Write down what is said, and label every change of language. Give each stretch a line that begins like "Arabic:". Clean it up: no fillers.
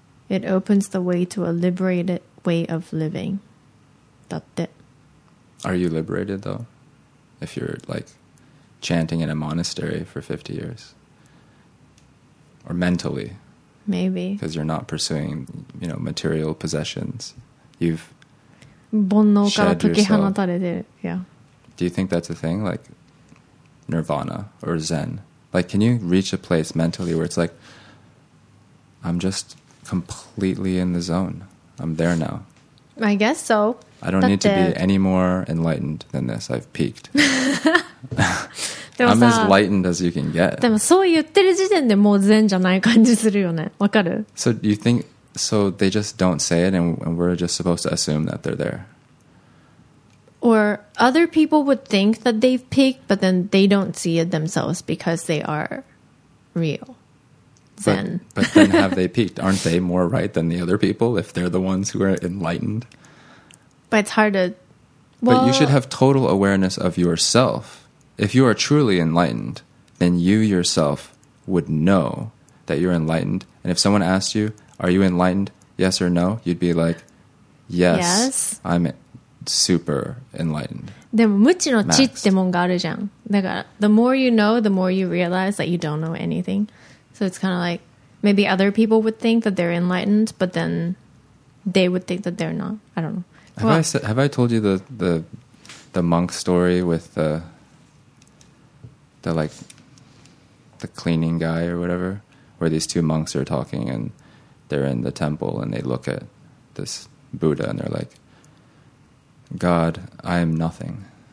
English: It opens the way to a liberated way of living. That's it. Are you liberated, though? If you're, like, chanting in a monastery for 50 years? Or mentally? Maybe. Because you're not pursuing, you know, material possessions. You've...
Japanese: 煩悩から解き放たれてる。
English: Yeah. Do you think that's a thing? Like, Nirvana or Zen? Like, can you reach a place mentally where it's like, I'm just completely in the zone. I'm there now. I guess so. I don't need to be any more enlightened than this. I've peaked. I'm as lightened as you can get.
Japanese: でもそう言ってる時点でもう Zen じゃない感じするよね。わかる?
English: So you think, so they just don't say it and we're just supposed to assume that they're there. Or other people would think that they've peaked, but then they don't see it themselves because they are real. Zen. But then have they peaked? Aren't they more right than the other people if they're the ones who are enlightened? But it's hard to... Well, but you should have total awareness of yourself. If you are truly enlightened, then you yourself would know that you're enlightened. And if someone asked you, are you enlightened? Yes or no? You'd be like, yes. I'm super enlightened.
Japanese: でも無知の知ってもんがあるじゃん。だから
English: the more you know, the more you realize that you don't know anything. So it's kind of like, maybe other people would think that they're enlightened, but then they would think that they're not. I don't know. Have I told you the monk story with the like the cleaning guy or whatever, where these two monks are talking and they're in the temple and they look at this Buddha and they're like, God, I am nothing.